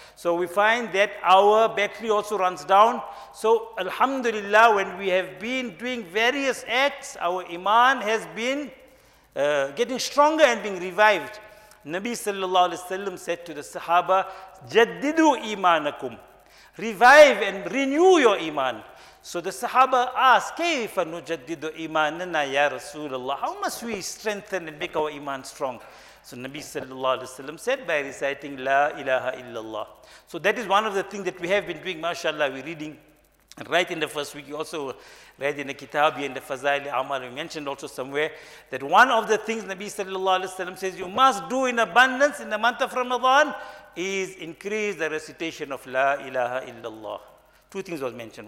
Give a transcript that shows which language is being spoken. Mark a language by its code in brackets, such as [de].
[en] So we find that our battery also runs down. So alhamdulillah, when we have been doing various acts, our iman has been getting stronger and being revived. Nabi sallallahu alayhi wa sallam said to the sahaba, [ar] jaddidu imanakum. [en] Revive and renew your iman. So the Sahaba asked, [ar] كيف نجدد إيماننا يا رسول الله? [en] How must we strengthen and make our iman strong? So Nabi sallallahu alayhi wa sallam said, by reciting La ilaha illallah. So that is one of the things that we have been doing, mashallah. We're reading right in the first week. You also read in the Kitab, in the Fazail Amal, we mentioned also somewhere that one of the things Nabi sallallahu alayhi wa sallam says you must do in abundance in the month of Ramadan is increase the recitation of La ilaha illallah. Two things was mentioned.